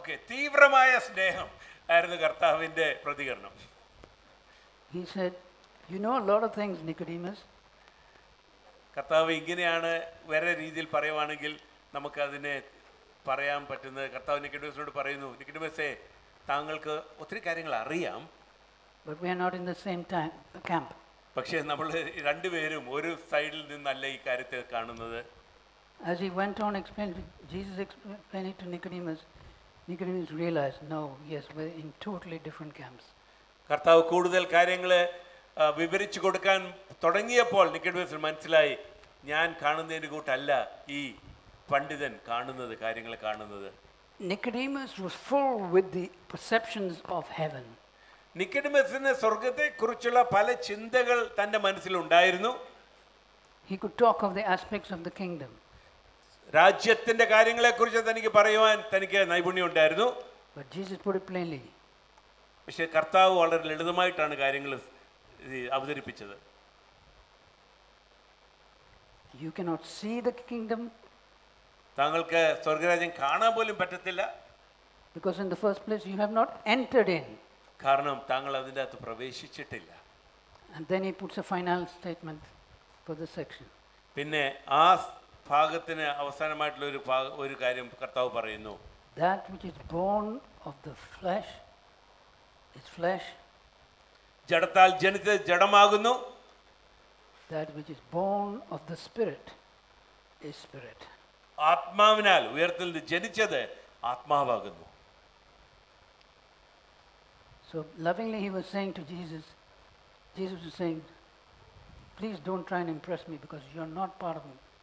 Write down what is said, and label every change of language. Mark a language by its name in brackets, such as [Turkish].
[Malayalam] തീവ്രമായ സ്നേഹം ആയിരുന്നു കർത്താവിന്റെ പ്രതികരണം. [English] He said, you know a lot of things, Nicodemus. [Malayalam] കർത്താവ് ഇങ്ങനെയാണ് വേറെ രീതിയിൽ പറയുവാണെങ്കിൽ നമുക്ക് അതിനെ പറയാൻ പറ്റുന്നത്. കർത്താവ് നിക്കോഡിമസിനോട് പറയുന്നു, നിക്കോഡിമസേ താങ്കൾക്ക് ഒത്തിരി കാര്യങ്ങൾ അറിയാം. [English] But we are not in the same time, camp. [Malayalam] പക്ഷേ നമ്മൾ രണ്ടുപേരും ഒരു സൈഡിൽ നിന്നല്ല ഈ കാര്യത്തെ കാണുന്നത്. [English] As he went on explaining, Jesus explained it to Nicodemus. Nicodemus realized, no, yes, we're in totally different camps. [Malayalam] കർത്താവ് കൂടുതൽ കാര്യങ്ങളെ വിവരിച്ചു കൊടുക്കാൻ തുടങ്ങിയപ്പോൾ നിക്കോഡിമസ് മനസ്സിലായി, ഞാൻ കാണുന്നതിന് കൂട്ടല്ല ഈ പണ്ഡിതൻ കാണുന്നത്, കാര്യങ്ങളെ കാണുന്നത്. [English] Nicodemus was full with the perceptions of heaven. [Malayalam] നിക്കോഡിമസിന് സ്വർഗ്ഗത്തെ കുറിച്ചുള്ള പല ചിന്തകൾ തന്റെ മനസ്സിൽ ഉണ്ടായിരുന്നു. [English] He could talk of the aspects of the kingdom. [Malayalam] രാജ്യത്തിന്റെ കാര്യങ്ങളെ കുറിച്ച് തനിക്ക് പറയുവാൻ തനിക്ക് നൈപുണ്യം ഉണ്ടായിരുന്നു. [English] But Jesus put it plainly. [Malayalam] പക്ഷേ കർത്താവ് വളരെ ലളിതമായിട്ടാണ് കാര്യങ്ങൾ അവതരിപ്പിച്ചത്. [English] You cannot see the kingdom. [Malayalam] താങ്കൾക്ക് സ്വർഗരാജ്യം കാണാൻ പോലും പറ്റത്തില്ല. [English] Because in the first place you have not entered in. [Malayalam] കാരണം താങ്കൾ അതിന്റെ അകത്ത് പ്രവേശിച്ചിട്ടില്ല. [English] And then he puts a final statement for the section. [Malayalam] പിന്നെ ആ ഭാഗത്തിന് അവസാനമായിട്ടുള്ള ഒരു കാര്യം കർത്താവ് പറയുന്നു. [English] That which is born of the flesh is flesh. [Malayalam] ജഡത്താൽ ജനിച്ച ജഡമാകുന്നു. [English] That which is born of the spirit is spirit. [Malayalam] ആത്മാവിനാൽ ഉയർത്തിൽ നിന്ന് ജനിച്ചത് ആത്മാവാകുന്നു. [English] So lovingly he was saying to Jesus, Jesus was saying, please don't try and impress me because you are not part of me.